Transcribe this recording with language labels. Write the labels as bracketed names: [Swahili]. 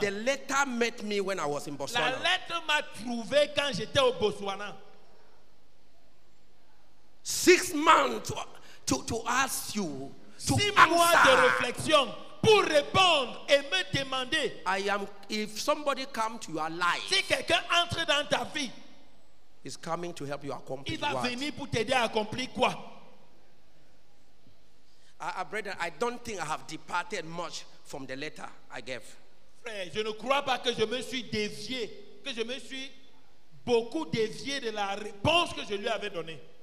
[English] The letter met me when I was in Botswana. [French] La lettre m'a trouvé quand j'étais au Botswana. [English] 6 months to ask you to [French] six [English] answer. [French] Mois de réflexion pour répondre et me demander. [English] I am if somebody come to your life. [French] Si quelqu'un entre dans ta vie, [English] is coming to help you accomplish what? [French] Il va venir pour t'aider à accomplir quoi? [English] Brother, I don't think I have departed much from the letter I gave. [French] Frère, je ne crois pas que je me suis dévié, que je me suis beaucoup dévié de la réponse que je lui avais donnée.